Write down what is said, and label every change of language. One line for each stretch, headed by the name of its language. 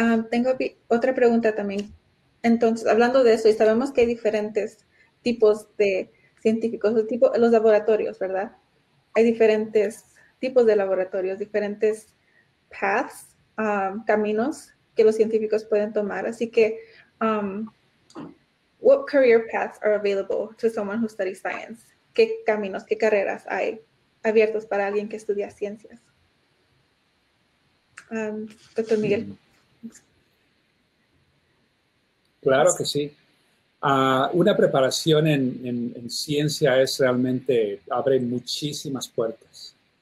Spanish: Tengo otra pregunta también. Entonces, hablando de eso, y sabemos que hay diferentes tipos de científicos, los laboratorios, ¿verdad? Hay diferentes tipos de laboratorios, diferentes paths, caminos que los científicos pueden tomar. Así que,
English: what career paths are available to someone who studies science?
Spanish: ¿Qué caminos, qué carreras hay abiertos para alguien que estudia ciencias? Doctor Miguel. Claro que sí. Una preparación en ciencia es realmente, abre muchísimas puertas.